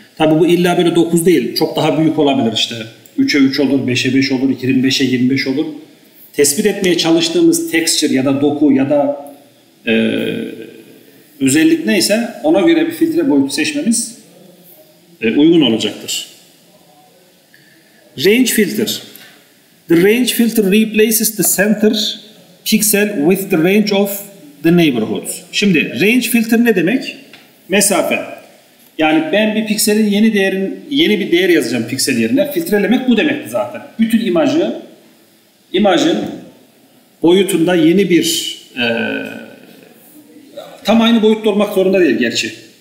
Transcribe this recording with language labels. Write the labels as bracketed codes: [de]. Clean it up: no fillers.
[tr] Tabii bu illa böyle 9 değil. Çok daha büyük olabilir işte. 3'e 3 olur, 5'e 5 olur, 25'e 25 olur. Tespit etmeye çalıştığımız texture ya da doku ya da özellik neyse ona göre bir filtre boyutu seçmemiz uygun olacaktır. [en] Range filter. The range filter replaces the center pixel with the range of the neighborhoods. [tr] Şimdi range filter ne demek? Mesafe. Yani ben bir pikselin yeni değerin, yeni bir değer yazacağım piksel yerine. Filtrelemek bu demekti zaten. Bütün imajı, imajın boyutunda yeni bir tam aynı boyutta olmak zorunda değil gerçi.